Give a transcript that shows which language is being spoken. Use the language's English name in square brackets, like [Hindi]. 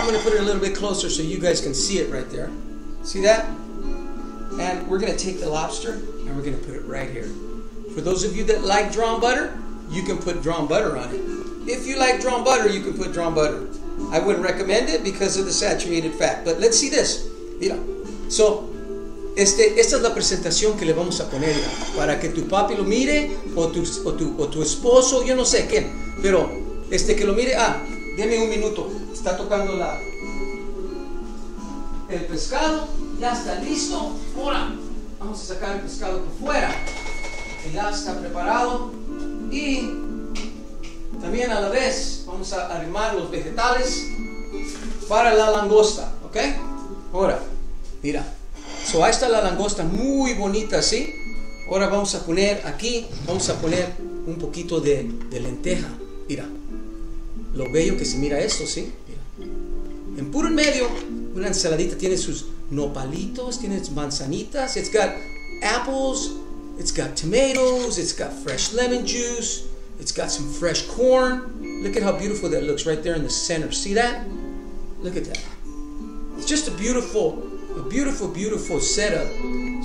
[English] I'm gonna put it a little bit closer so you guys can see it right there. See that? And we're gonna take the lobster and we're gonna put it right here. For those of you that like drawn butter, you can put drawn butter on it. If you like drawn butter, you can put drawn butter. I wouldn't recommend it because of the saturated fat. But let's see this. Mira. [Spanish] So, esta es la presentación que le vamos a poner. Mira. Para que tu papi lo mire, o tu esposo, yo no sé qué. Pero, que lo mire. Ah, deme un minuto. Está tocando la... El pescado ya está listo. Ahora, vamos a sacar el pescado por fuera. Ya está preparado. Y... también a la vez vamos a arrimar los vegetales para la langosta, ¿ok? Ahora, mira. So, ahí está la langosta muy bonita, ¿sí? Ahora vamos a poner aquí, vamos a poner un poquito de lenteja. Mira, lo bello que se mira esto, ¿sí? Mira. En puro en medio, una ensaladita tiene sus nopalitos, tiene manzanitas. [English] It's got apples, it's got tomatoes, it's got fresh lemon juice. It's got some fresh corn. Look at how beautiful that looks right there in the center. See that? Look at that. It's just a beautiful setup.